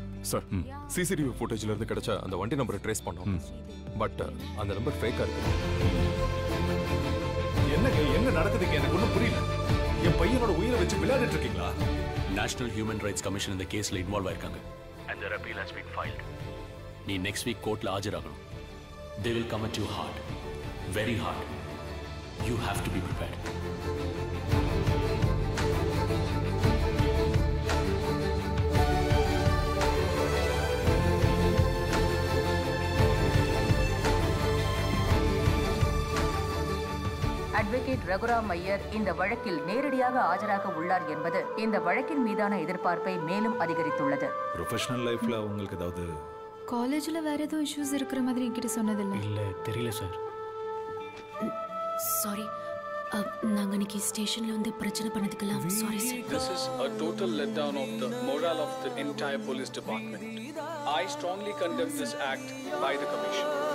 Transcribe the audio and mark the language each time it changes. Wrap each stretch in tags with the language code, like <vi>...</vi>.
<ta>Sir, CCTV ஃபுட்டேஜ்ல இருந்து கிடைச்ச அந்த வண்டி நம்பரை ட்ரேஸ் பண்ணோம், பட் அந்த நம்பர் ஃபேக்கா இருக்கு. என்னங்க, என்ன நடக்குது? எனக்கு ஒண்ணு புரியல. என் பையனோட உயிரை வச்சு விளையாடிட்டு இருக்கீங்களா? நேஷனல் ஹியூமன் ரைட்ஸ் கமிஷன் இந்த கேஸ்ல இன்வால்வ் ஆயிருக்காங்க.</ta> <en>And their appeal has been filed. நீ next week கோர்ட்ல ஆஜராகணும். They will come at you hard, very hard. You have to be prepared.</en> <ta>Advocate Raghuram Iyer இந்த வழக்கில் நேரடியாக ஆஜராக உள்ளார் என்பது இந்த வழக்கின் மீதான எதிர்பார்ப்பை மேலும் அதிகரித்துள்ளது. ப்ரொஃபஷனல் லைஃப்ல உங்களுக்கு ஏதாவது காலேஜில் வேறு எதுவும் இஷ்யூஸ் இருக்கிற மாதிரி என்கிட்ட சொன்னதில்லை. இல்லை, தெரியல சார். சாரி, நாங்கள் அன்னைக்கு ஸ்டேஷனில் வந்து பிரச்சனை பண்ணதுக்கெல்லாம் sorry sir.</ta> <en>This is a total letdown of the morale of the entire police department. I strongly condemn this act by the commission.</en>